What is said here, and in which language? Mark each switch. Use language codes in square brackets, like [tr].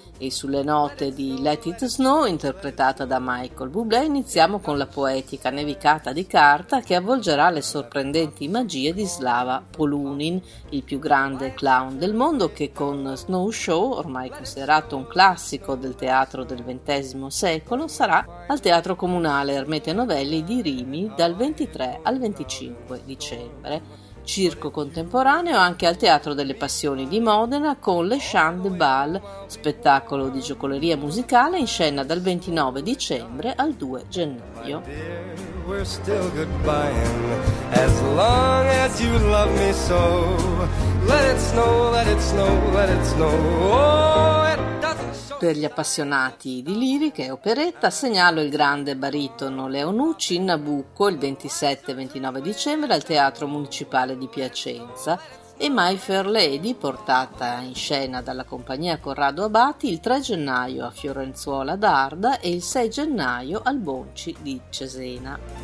[it] E sulle note di Let It Snow, interpretata da Michael Bublé, iniziamo con la poetica Nevicata di carta, che avvolgerà le sorprendenti magie di Slava Polunin, il più grande clown del mondo che con Snow Show, ormai considerato un classico del teatro del XX secolo, sarà al Teatro Comunale Ermete Novelli di Rimini dal 23 al 25 dicembre. Circo contemporaneo anche al Teatro delle Passioni di Modena con Le Chant de Bal, spettacolo di giocoleria musicale in scena dal 29 dicembre al 2 gennaio. [en] We're still goodbying, as long as you love me so. Let it snow, let it snow, let it snow. [it] Per gli appassionati di lirica e operetta segnalo il grande baritono Leo Nucci in Nabucco il 27 e 29 dicembre al Teatro Municipale di Piacenza e My Fair Lady, portata in scena dalla compagnia Corrado Abati, il 3 gennaio a Fiorenzuola d'Arda e il 6 gennaio al Bonci di Cesena.